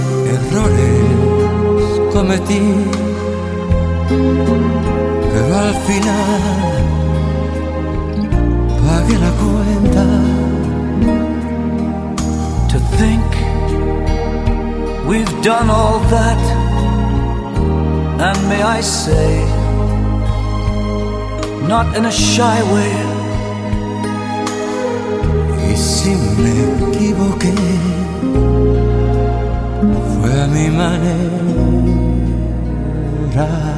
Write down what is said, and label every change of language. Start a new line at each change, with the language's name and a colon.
Spanish: Errores cometí, pero al final pagué la cuenta.
English: To think we've done all that, and may I say, not in a shy way.
Spanish: Y si me equivoqué, fue a mi manera.